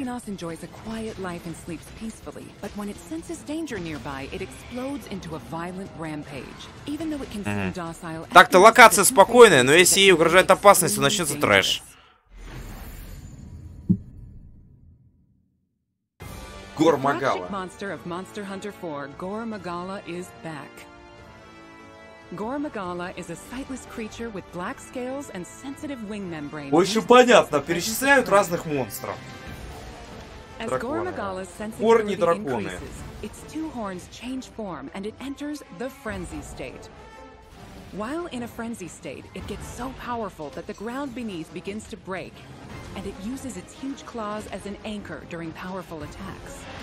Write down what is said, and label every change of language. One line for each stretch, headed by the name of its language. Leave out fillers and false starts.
English: Espinas enjoys a quiet life and sleeps peacefully, but when it senses danger nearby, it explodes into a violent rampage. Even though it can seem docile.
Russian: Так-то локация спокойная, но если ей угрожает опасность, то начнется трэш. Гор Магала.
English: Monster of Monster Hunter 4, Gor Magala is back. Gor Magala is a sightless creature with black scales and sensitive wing membrane.
Russian: Очень понятно, перечисляют разных монстров.
English: As Gor Magala's sensitivity increases, its two horns change form and it enters the frenzy state. While in a frenzy state, it gets so powerful that the ground beneath begins to break, and it uses its huge claws as an anchor during powerful attacks.